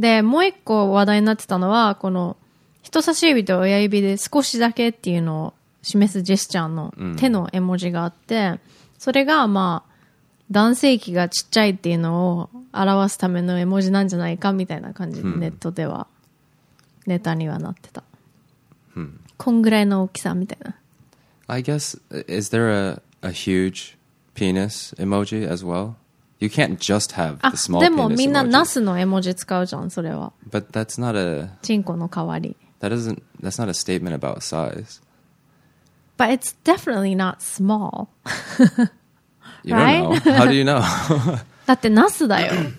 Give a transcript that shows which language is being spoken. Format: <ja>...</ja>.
<ja>で、もう一個話題になってたのは、この人差し指と親指で少しだけっていうのを示すジェスチャーの手の絵文字があって、それがまあ、男性器がちっちゃいっていうのを表すための絵文字なんじゃないかみたいな感じで、ネットではネタにはなってた。こんぐらいの大きさみたいな。</ja> <en>I guess, is there a hugepenis emoji as well? You can't just have the small penis emoji.</en> <ja>でもみんなナスの絵文字使うじゃん、それは。</ja> <en>But that's not a...</en> <ja>チンコの代わり。</ja> <en>That's not a statement about size. But it's definitely not small. You don't <Right? S 1> know. How do you know?</en> <ja>だってナスだよ。</ja>